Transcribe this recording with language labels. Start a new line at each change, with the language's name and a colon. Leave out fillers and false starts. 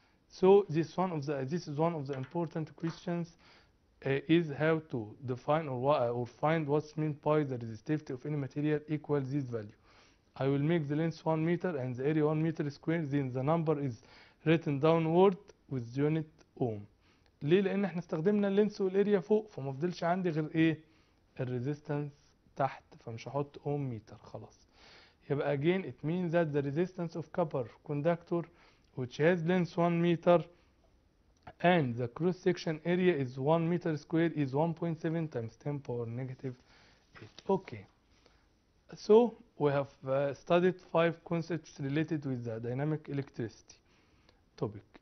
English: So this is one of the important questions, is how to define or find what's meant by the resistivity of any material equals this value. I will make the length 1 meter and the area 1 meter square, then the number is written downward
Arabic: واليونت اوم. ليه؟ لان احنا استخدمنا اللينس والاريا فوق، فما فضلش عندي غير ايه الريزيستنس تحت، فمش هحط اوم ميتر خلاص.
English: يبقى again it means that the resistance of copper conductor which has length 1 meter and the cross section area is 1 meter square is 1.7 times 10 power negative 8. Okay. So we have studied 5 concepts related with the dynamic electricity topic.